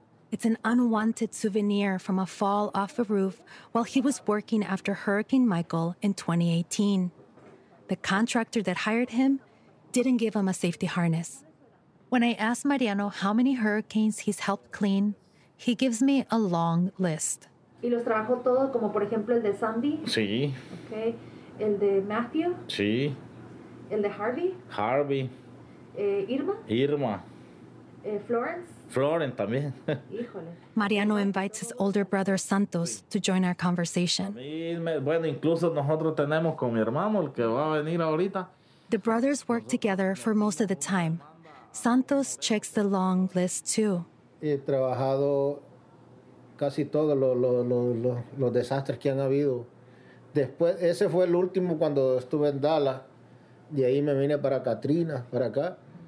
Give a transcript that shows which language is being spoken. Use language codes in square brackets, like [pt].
[en] It's an unwanted souvenir from a fall off a roof while he was working after Hurricane Michael in 2018. The contractor that hired him didn't give him a safety harness. When I ask Mariano how many hurricanes he's helped clean, he gives me a long list. [es] ¿Y los trabajo todos, como por ejemplo el de Sandy? Sí. Okay. ¿El de Matthew? Sí. ¿El de Harvey? Harvey. ¿Irma? ¿Florence? Florence también. [en] Mariano invites his older brother Santos to join our conversation. The brothers work together for most of the time. Santos checks the long list too. [es] He trabajado casi todos los desastres que han habido. Después, ese fue el último cuando estuve en Dallas. De ahí me vine para Katrina, para acá.